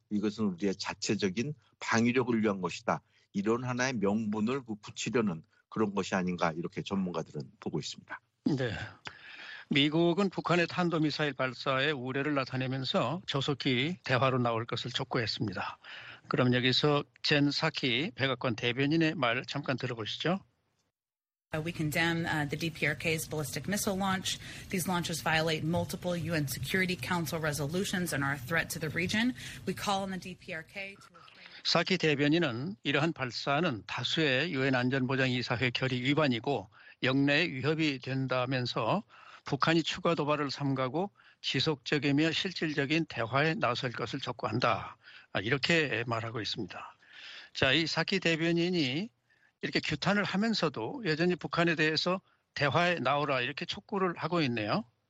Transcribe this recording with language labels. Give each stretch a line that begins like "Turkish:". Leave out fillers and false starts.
Korean: 이것은 우리의 자체적인 방위력을 위한 것이다. 이런 하나의 명분을 굳히려는 그런 것이 아닌가 이렇게 전문가들은 보고 있습니다. 네. 미국은 북한의 탄도미사일 발사에 우려를 나타내면서 조속히 대화로 나올 것을 촉구했습니다. 그럼 여기서 젠 사키 백악관 대변인의 말 잠깐 들어보시죠.
English: We condemn the DPRK's ballistic missile launch. These launches violate multiple UN Security Council resolutions and are a threat to the region. We call on the DPRK to...
Korean: 사키 대변인은 이러한 발사는 다수의 유엔 안전보장이사회 결의 위반이고 역내의 위협이 된다면서 북한이 추가 도발을 삼가고 지속적이며 실질적인 대화에 나설 것을 촉구한다. 이렇게 말하고 있습니다. 자, 이 사키 대변인이 이렇게 규탄을 하면서도 여전히 북한에 대해서 대화에 나오라 이렇게 촉구를 하고 있네요.